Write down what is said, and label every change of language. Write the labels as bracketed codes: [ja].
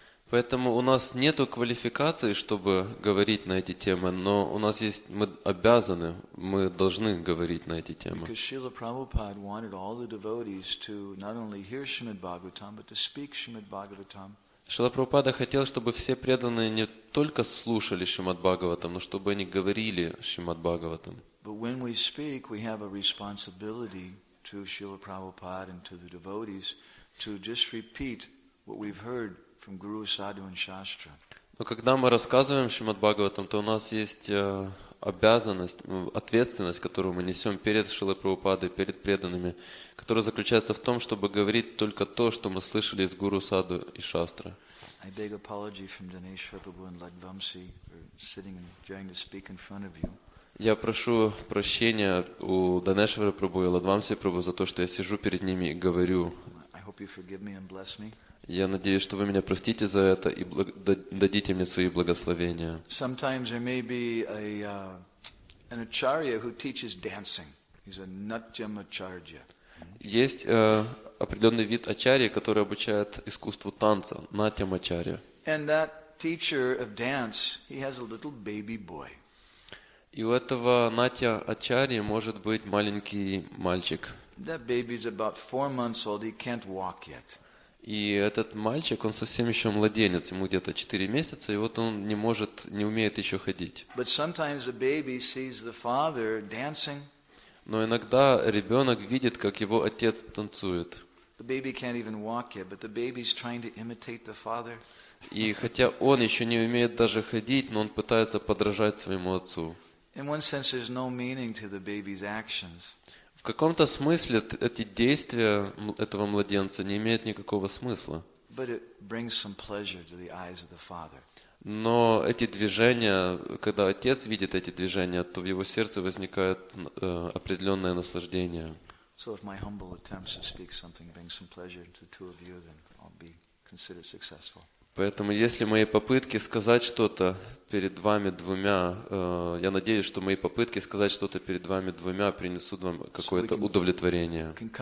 [ru] Поэтому у нас нету квалификации, чтобы говорить на эти темы, но у нас есть, мы обязаны, мы должны говорить на эти темы. [en] Because Srila Prabhupada wanted all the devotees to not only hear Srimad Bhagavatam, but to speak Srimad Bhagavatam. [ru] Шрила Прабхупада хотел, чтобы все преданные не только слушали Шримад Бхагаватам, но чтобы они говорили Шримад Бхагаватам. [en] But when we speak, we have a responsibility to Srila Prabhupada and to the devotees to just repeat what we've heard from Guru, Sadhu and Shastra. [ru] Но когда мы рассказываем Шримад Бхагаватам, то у нас есть обязанность, ответственность, которую мы несем перед Шрилой Прабхупадой, перед преданными, которая заключается в том, чтобы говорить только то, что мы слышали из Гуру, Саду и Шастры. [en] I beg apology from Dinesh Prabhu and Lagvamsi for sitting and trying to speak in front of you. [ru] Я прошу прощения у Данешвара Прабху и Ладвамси Прабху за то, что я сижу перед ними и говорю. [en] I hope you forgive me and bless me. [ru] Я надеюсь, что вы меня простите за это и дадите мне свои благословения. [en] Sometimes there may be an acharya who teaches dancing. He's a natyam acharya. [ru] Есть определенный вид ачарьи, который обучает искусству танца, натям ачарья. [en] And that teacher of dance, he has a little baby boy. [ru] И у этого натя ачарьи может быть маленький мальчик. [en] That baby is about 4 months old. He can't walk yet. [ru] И этот мальчик, он совсем еще младенец, ему где-то 4 месяца, и вот он не может, не умеет еще ходить. [en] But sometimes the baby sees the father dancing. [ru] Но иногда ребенок видит, как его отец танцует. [en] The baby can't even walk yet, but the baby's trying to imitate the father. [ru] И хотя он еще не умеет даже ходить, но он пытается подражать своему отцу. [en] In one sense, there's no meaning to the baby's actions. [ru] В каком-то смысле эти действия этого младенца не имеют никакого смысла. [en] But it brings some pleasure to the eyes of the father. [ru] Но эти движения, когда отец видит эти движения, то в его сердце возникает определенное наслаждение. [en] So if my humble attempts to speak something bring some pleasure to the two of you, then I'll be considered successful. [ru] Поэтому, если мои попытки сказать что-то перед вами двумя, я надеюсь, что мои попытки сказать что-то перед вами двумя принесут вам какое-то удовлетворение.